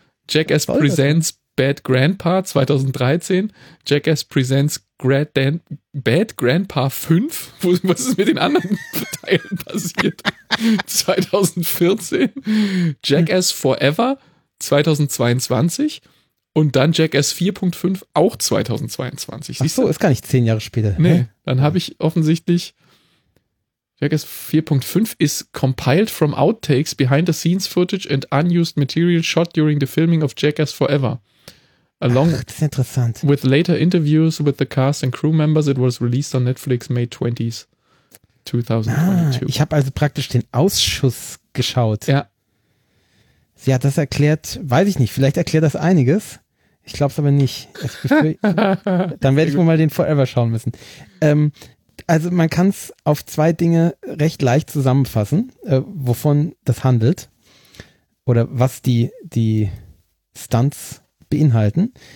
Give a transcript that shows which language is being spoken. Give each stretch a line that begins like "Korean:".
German: Jackass Presents Bad Grandpa 2013, Jackass Presents Bad Grandpa 5, was ist mit den anderen Teilen passiert, 2014, Jackass Forever 2022 und dann Jackass 4.5 auch 2022. Siehst du? Ach so, ist gar nicht 10 Jahre später. Nee, dann habe ich offensichtlich, Jackass 4.5 ist
English: compiled from outtakes, behind-the-scenes footage and unused material shot during the filming of Jackass Forever.
German: Along Ach, das ist interessant.
English: With later interviews with the cast and crew members, it was released on Netflix May 20th, 2022.
German: Ich habe also praktisch den Ausschuss geschaut. Ja. Sie hat das erklärt, weiß ich nicht, vielleicht erklärt das einiges. Ich glaube es aber nicht. Dann werde ich mal den Forever schauen müssen. Also man kann es auf zwei Dinge recht leicht zusammenfassen, wovon das handelt oder was die Stunts beinhalten.